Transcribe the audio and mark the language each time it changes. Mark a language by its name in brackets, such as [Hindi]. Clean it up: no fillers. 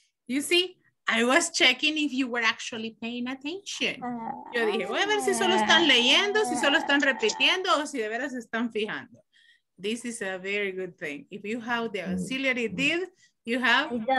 [English] You see, I was checking if you were actually paying attention. [Spanish] Yo dije, voy a ver si solo están leyendo, si solo están repitiendo, o si de veras están fijando. [English] This is a very good thing. If you have the auxiliary did, you have?